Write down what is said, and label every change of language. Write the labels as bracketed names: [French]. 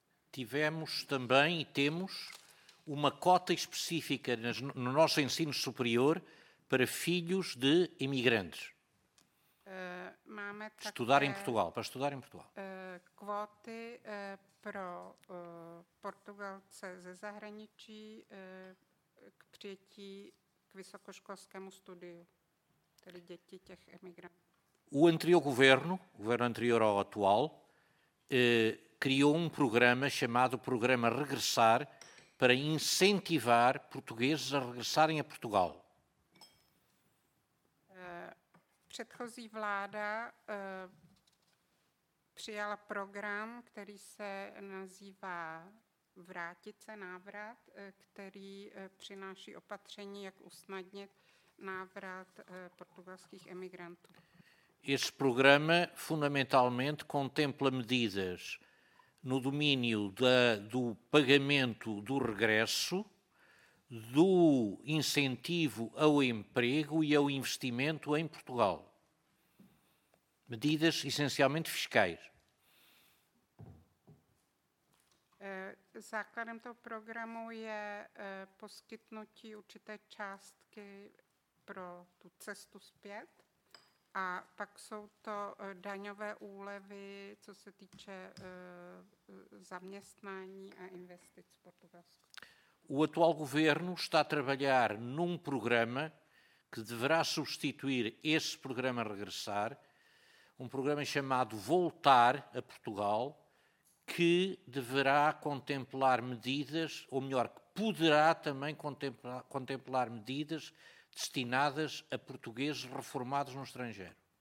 [Portuguese] Tivemos também e temos uma cota específica no nosso ensino superior para filhos de imigrantes. [Czech] Máme [Portuguese] para estudar em Portugal. Para estudar em Portugal. [Czech] Kvóty pro Portugalce ze zahraničí k přijetí k vysokoškolskému studiu, tedy děti těch imigrantů. [Portuguese] O anterior governo, o governo anterior ao atual, criou um programa chamado Programa Regressar, para incentivar portugueses a regressarem a Portugal. [Czech] Předchozí vláda přijala program, který se nazývá Vrátit se návrat, který přináší opatření, jak usnadnit návrat portugalských emigrantů. [Portuguese] Esse programa fundamentalmente contempla medidas no domínio do pagamento do regresso, do incentivo ao emprego e ao investimento em Portugal. Medidas essencialmente fiscais. [Czech] Základem toho programu je poskytnutí určité částky pro tu cestu zpět. A pak jsou to daňové úlevy, co se týče zaměstnání a investic v Portugalsku. [Portuguese] O atual governo está a trabalhar num programa que deverá substituir este programa Regressar, um programa chamado Voltar a Portugal, que deverá contemplar medidas, ou melhor, que poderá também contemplar medidas destinadas a portugueses reformados no estrangeiro.